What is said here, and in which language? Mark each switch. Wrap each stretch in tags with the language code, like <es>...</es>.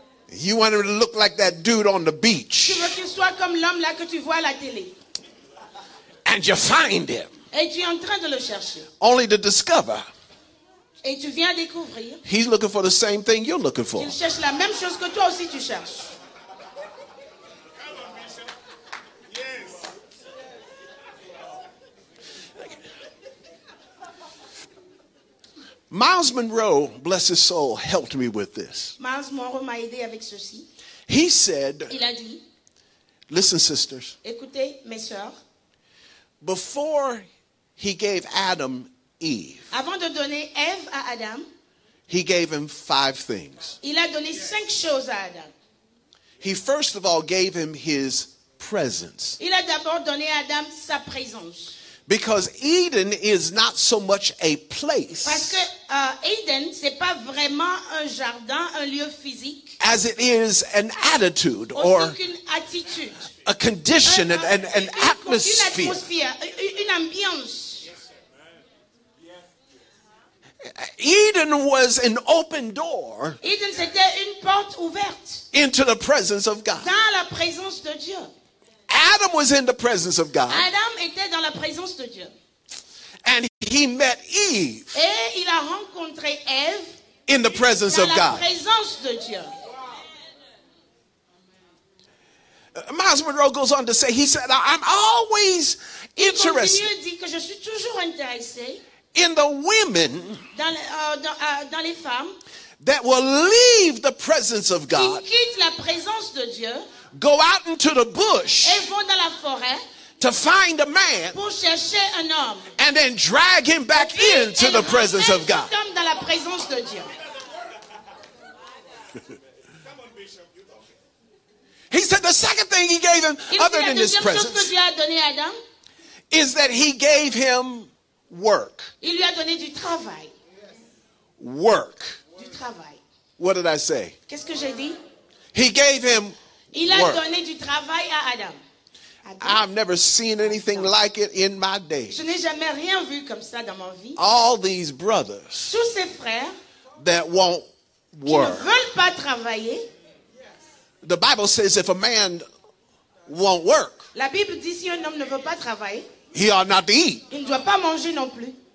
<en>You want him to look like that dude on the beach.</en> <fr>Tu veux qu'il soit comme l'homme là que tu vois à la télé.</fr> <en>And you find him.</en> <fr>Et tu es en train de le chercher.</fr> <en>Only to discover.</en> <fr>Et tu viens découvrir.</fr> <en>He's looking for the same thing you're looking for.</en> <fr>Il cherche la même chose que toi aussi tu cherches.</fr> <en>Miles Monroe, bless his soul, helped me with this.</en> <fr>Miles Monroe m'a aidé avec ceci.</fr> <en>He said,</en> <fr>il a dit,</fr> <en>listen, sisters,</en> <fr>écoutez, mes sœurs,</fr> <en>before he gave Adam Eve,</en> <fr>avant de donner Eve à Adam,</fr> <en>he gave him five things.</en> <fr>Il a donné cinq choses à Adam.</fr> <en>He first of all gave him his presence.</en> <fr>Il a d'abord donné à Adam sa présence.</fr> <en>Because Eden is not so much a place.</en> <fr>Parce que Eden, c'est pas vraiment un jardin, un lieu physique.</fr> <en>As it is an attitude or</en> <fr>une attitude.</fr> <en>A condition an atmosphere.</en> <fr>Une ambiance.</fr> <en>Eden was an open door.</en> <fr>Eden, c'était une porte ouverte.</fr> <en>Into the presence of God.</en> <fr>Dans la présence de Dieu.</fr> <en>Adam was in the presence of God.</en> <fr>Adam était dans la présence de Dieu.</fr> <en>And he met Eve.</en> <fr>Et il a rencontré Eve.</fr> <en>In the presence of God.</en> <fr>Dans la présence de Dieu.</fr> <en>Miles Monroe goes on to say, he said, I'm always interested.</en> <fr>Il continue, dit que je suis toujours intéressé.</fr> <en>In the women.</en> <fr>Dans les femmes.</fr> <en>That will leave the presence of God.</en> <fr>Qui quitte la présence de Dieu.</fr> <en>Go out into the bush</en> <fr>et vont dans la forêt</fr> <en>to find a man</en> <fr>pour chercher un homme.</fr> <en>And then drag him back</en> <fr>et</fr> <en>into the presence of God.</en> <fr>Homme dans la présence de Dieu.</fr> <en>He said the second thing he gave him</en> <fr>il</fr> <en>other than his presence</en> <fr>que Dieu a donné Adam,</fr> <en>is that he gave him work.</en> <fr>Il lui a donné du travail.</fr> <en>Work.</en> <fr>Du travail.</fr> <en>What did I say?</en> <fr>Qu'est-ce que j'ai dit?</fr> <en>He gave him</en> <fr>il a</fr> <en>work.</en> <fr>Donné du travail à Adam.</fr> <en>I've never seen anything Adam. Like it in my day.</en> <fr>Je n'ai jamais rien vu comme ça dans ma vie.</fr> <en>All these brothers.</en> <fr>Tous ces frères.</fr> <en>That won't work.</en> <fr>Qui ne veulent pas travailler.</fr> <en>The Bible says if a man won't work.</en> <fr>La Bible dit si un homme ne veut pas travailler.</fr> <en>He ought not to eat.</en> <fr>Il ne doit pas manger non plus.</fr>